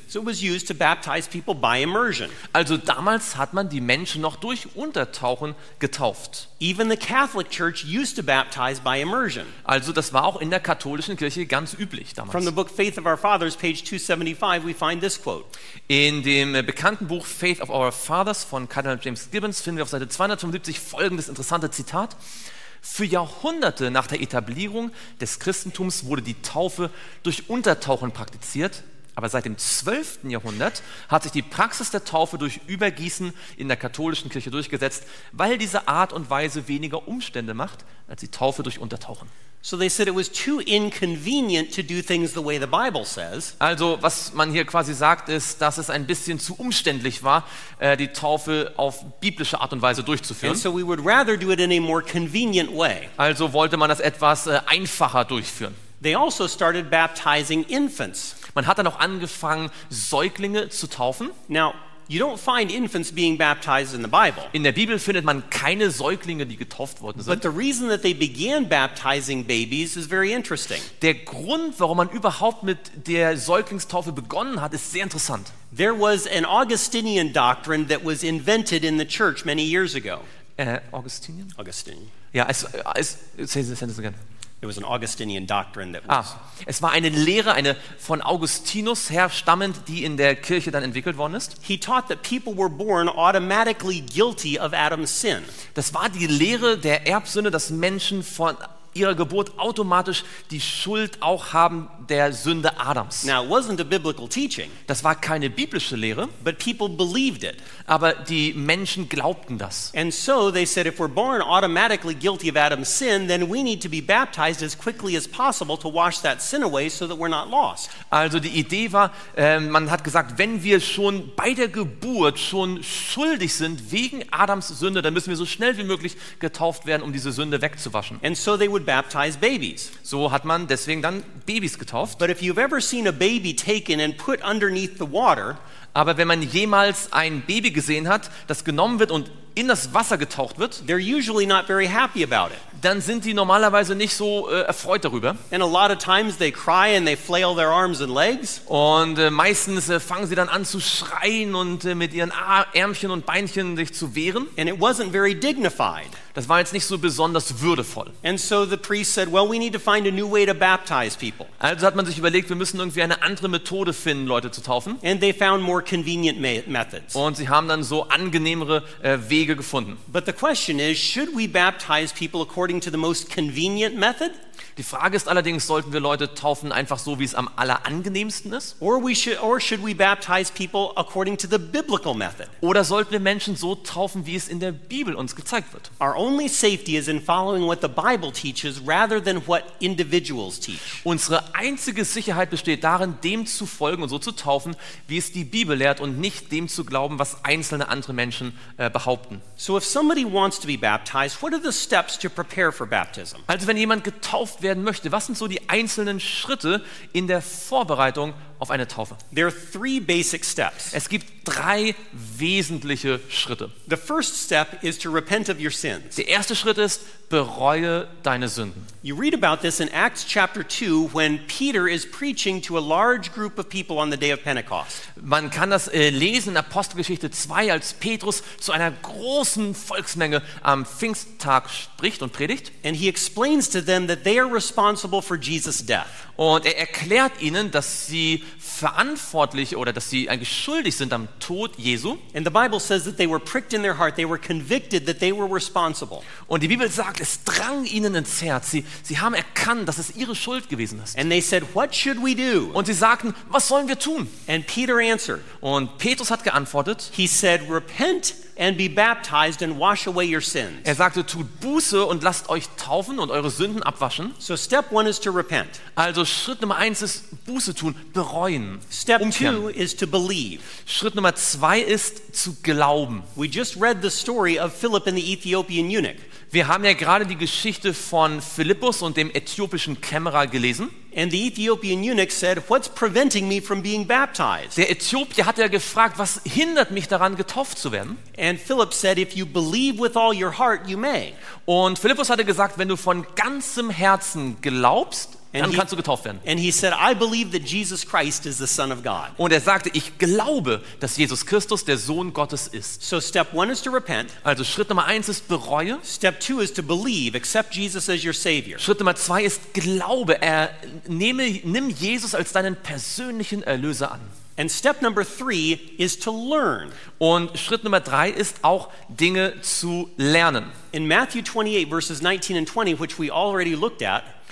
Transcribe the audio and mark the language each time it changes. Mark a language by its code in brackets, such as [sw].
[en] So it was used to baptize people by immersion. [de] Also damals hat man die Menschen noch durch Untertauchen getauft. [en] Even the Catholic Church used to baptize by immersion. [de] Also das war auch in der katholischen Kirche ganz üblich damals. [en] From the book Faith of Our Fathers, page 275, we find this quote. [de] In dem bekannten Buch Faith of Our Fathers von Cardinal James Gibbons finden wir auf Seite 275 folgendes interessante Zitat. Für Jahrhunderte nach der Etablierung des Christentums wurde die Taufe durch Untertauchen praktiziert, aber seit dem 12. Jahrhundert hat sich die Praxis der Taufe durch Übergießen in der katholischen Kirche durchgesetzt, weil diese Art und Weise weniger Umstände macht als die Taufe durch Untertauchen. [en] So they said it was too inconvenient to do things the way the Bible says. [de] Also, was man hier quasi sagt, ist, dass es ein bisschen zu umständlich war, die Taufe auf biblische Art und Weise durchzuführen. [en] And so we would rather do it in a more convenient way. [de] Also wollte man das etwas einfacher durchführen. [en] They also started baptizing infants. [de] Man hat dann auch angefangen, Säuglinge zu taufen. [en] Now, you don't find infants being baptized in the Bible. [de] In der Bibel findet man keine Säuglinge, die getauft worden sind. [en] But the reason that they began baptizing babies is very interesting. [de] Der Grund, warum man überhaupt mit der Säuglingstaufe begonnen hat, ist sehr interessant. [en] There was an Augustinian doctrine that was invented in the church many years ago. Augustinian? Augustinian. Ja, say this again. It was an Augustinian doctrine that was. [de] Ah, es war eine Lehre, eine von Augustinus her stammend, die in der Kirche dann entwickelt worden ist. [en] He taught that people were born automatically guilty of Adam's sin. [de] Das war die Lehre der Erbsünde, dass Menschen von ihrer Geburt automatisch die Schuld auch haben der Sünde Adams. [en] Now, it wasn't a biblical teaching. [de] Das war keine biblische Lehre, [en] but people believed it. [de] Aber die Menschen glaubten das. [en] And so they said, if we're born automatically guilty of Adam's sin, then we need to be baptized as quickly as possible to wash that sin away so that we're not lost. [de] Also die Idee war, man hat gesagt, wenn wir schon bei der Geburt schon schuldig sind wegen Adams Sünde, dann müssen wir so schnell wie möglich getauft werden, um diese Sünde wegzuwaschen. [en] And so they would baptize babies. [de] So hat man deswegen dann Babys getauft. [en] But if you've ever seen a baby taken and put underneath the water, [de] aber wenn man jemals ein Baby gesehen hat, das genommen wird und in das Wasser getaucht wird, [en] they're usually not very happy about it. [de] Dann sind die normalerweise nicht so erfreut darüber. [en] And a lot of times they cry and they flail their arms and legs. [de] Und meistens fangen sie dann an zu schreien und mit ihren Ärmchen und Beinchen sich zu wehren. [en] And it wasn't very dignified. [de] Das war jetzt nicht so besonders würdevoll. [en] And so the priest said, well, we need to find a new way to baptize people. [de] Also hat man sich überlegt, wir müssen irgendwie eine andere Methode finden, Leute zu taufen. [en] And they found more convenient methods. [de] Und sie haben dann so angenehmere Wege gefunden. [en] But the question is, should we baptize people according to the most convenient method? [de] Die Frage ist allerdings, sollten wir Leute taufen einfach so, wie es am allerangenehmsten ist? [en] Or should we baptize people according to the biblical method? [de] Oder sollten wir Menschen so taufen, wie es in der Bibel uns gezeigt wird? [en] Our only safety is in following what the Bible teaches rather than what individuals teach. [de] Unsere einzige Sicherheit besteht darin, dem zu folgen und so zu taufen, wie es die Bibel lehrt und nicht dem zu glauben, was einzelne andere Menschen behaupten. [en] So if somebody wants to be baptized, what are the steps to prepare for baptism? [de] Also wenn jemand getauft werden möchte, was sind so die einzelnen Schritte in der Vorbereitung auf eine Taufe? [en] There are three basic steps. [de] Es gibt drei wesentliche Schritte. [en] The first step is to repent of your sins. [de] Der erste Schritt ist, bereue deine Sünden. [en] You read about this in Acts chapter 2 when Peter is preaching to a large group of people on the day of Pentecost. [de] Man kann das lesen in Apostelgeschichte 2, als Petrus zu einer großen Volksmenge am Pfingsttag spricht und predigt. [en] And he explains to them that they are responsible for Jesus' death. [de] Und er erklärt ihnen, dass sie verantwortlich oder dass sie eigentlich schuldig sind am Tod Jesu. [en] And the Bible says that they were pricked in their heart, they were convicted that they were responsible. [de] Und die Bibel sagt, es drang ihnen ins Herz. Sie haben erkannt, dass es ihre Schuld gewesen ist. [en] And they said, what should we do? [de] Und sie sagten, was sollen wir tun? [en] And Peter answered. [de] Und Petrus hat geantwortet. [en] He said, repent and be baptized and wash away your sins. [de] Er sagte, tut Buße und lasst euch taufen und eure Sünden abwaschen. [en] So step one is to repent. [de] Also Schritt Nummer eins ist Buße tun, bereuen. [en] Step two is to believe. [de] Schritt Nummer zwei ist zu glauben. [en] We just read the story of Philip and the Ethiopian eunuch. [de] Wir haben ja gerade die Geschichte von Philippus und dem äthiopischen Kämmerer gelesen. [en] And the Ethiopian eunuch said, "What's preventing me from being baptized?" [de] Der Äthiopier hat ja gefragt, was hindert mich daran, getauft zu werden? [en] And Philip said, "If you believe with all your heart, you may." [de] Und Philippus hatte gesagt, wenn du von ganzem Herzen glaubst, dann kannst du getauft werden. [en] And he said, I believe that Jesus Christ is the Son of God. [de] Und er sagte, ich glaube, dass Jesus Christus der Sohn Gottes ist. [en] So step one is to repent. [de] Also Schritt Nummer eins ist bereue. [en] Step two is to believe, accept Jesus as your Savior. [de] Schritt Nummer zwei ist glaube. Nimm Jesus als deinen persönlichen Erlöser an. [en] And step number three is to learn. [de] Und Schritt Nummer drei ist auch Dinge zu lernen. [en] In Matthew 28 verses 19 and 20, which we already looked at.